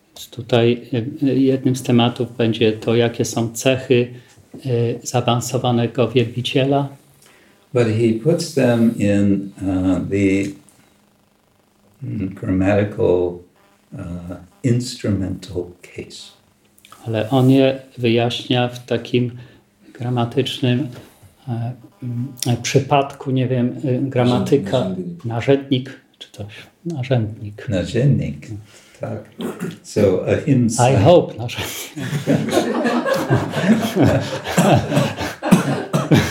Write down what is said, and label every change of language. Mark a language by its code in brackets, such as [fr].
[pl] Tutaj jednym z tematów będzie to, jakie są cechy zaawansowanego wielbiciela. [en] But he puts them in the grammatical instrumental case. [pl] Ale on je wyjaśnia w takim gramatycznym przypadku, nie wiem, gramatyka, narzędnik, czy coś, narzędnik. Narzędnik, tak. So, ahimsa. [en] I hope, narzędnik.